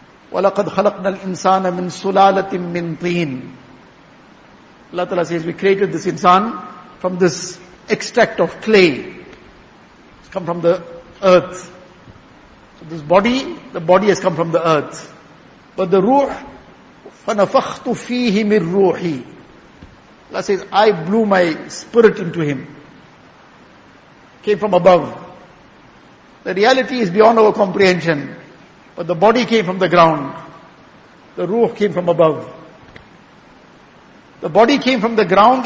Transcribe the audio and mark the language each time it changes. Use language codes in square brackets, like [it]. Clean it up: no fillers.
[ar] وَلَقَدْ خَلَقْنَا الْإِنسَانَ مِنْ سُلَالَةٍ مِنْ طِينٍ. [en] Allah Ta'ala says, we created this insan from this extract of clay. It's come from the earth. So this body, the body has come from the earth. But the ruh, [ar] فَنَفَخْتُ فِيهِ مِنْ رُوحِ. [en] Allah says, I blew my spirit into him. Came from above. The reality is beyond our comprehension. But the body came from the ground. The ruh came from above. The body came from the ground.